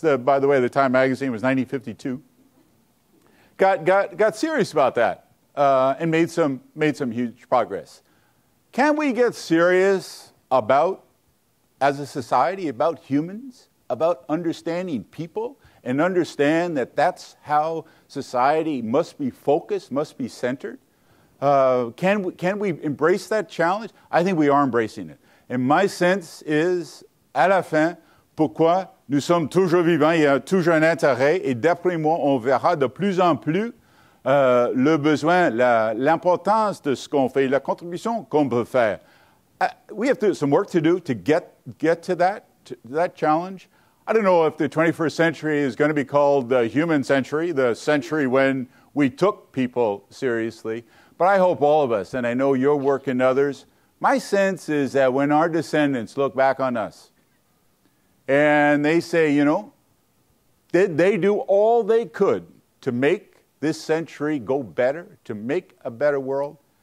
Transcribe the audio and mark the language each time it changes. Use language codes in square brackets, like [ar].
[en] By the way, the Time magazine was 1952. Got serious about that and made some huge progress. Can we get serious about, as a society, about humans, about understanding people, and understand that that's how society must be focused, must be centered? Can we embrace that challenge? I think we are embracing it. And my sense is, [fr] à la fin, pourquoi nous sommes toujours vivants, il y a toujours un intérêt, et d'après moi, on verra de plus en plus le besoin, l'importance de ce qu'on fait, la contribution qu'on peut faire. [en] We have to, some work to do to get to that challenge. I don't know if the 21st century is going to be called the human century, the century when we took people seriously, but I hope all of us, and I know your work and others, my sense is that when our descendants look back on us and they say, you know, did they do all they could to make this century go better, to make a better world?